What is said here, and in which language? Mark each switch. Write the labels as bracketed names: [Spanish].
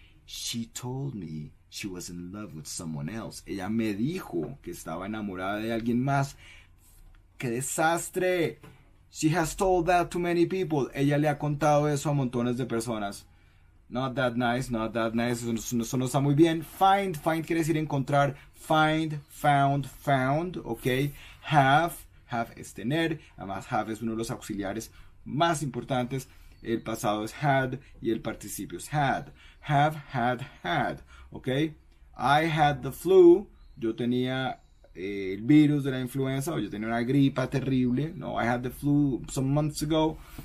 [English] She told me she was in love with someone else. [Spanish] Ella me dijo que estaba enamorada de alguien más. ¡Qué desastre! [English] She has told that to many people. [Spanish] Ella le ha contado eso a montones de personas. [English] Not that nice, not that nice. [Spanish] Eso no está muy bien. Find, find quiere decir encontrar. Find, found, found, ok. Have, have es tener. Además, have es uno de los auxiliares más importantes. El pasado es had y el participio es had. [English] Have, had, had, ok. I had the flu. [Spanish] Yo tenía el virus de la influenza o yo tenía una gripa terrible. [English] No, I had the flu some months ago.